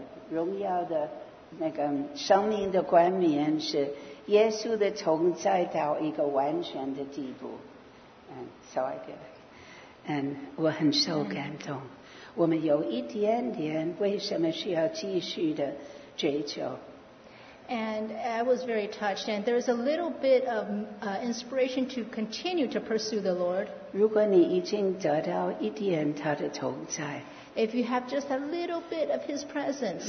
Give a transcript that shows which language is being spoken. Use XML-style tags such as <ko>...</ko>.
<zh>荣耀的那个生命的冠冕是耶稣的同在到一个完全的地步。</zh> <en>And so I get it. And</en> <zh>我很受感动。我们有一点点为什么需要继续的追求。</zh> <en>And I was very touched. And there's a little bit of inspiration to continue to pursue the Lord.</en> <zh>如果你已经得到一点他的同在</zh> <en>If you have just a little bit of His presence.</en>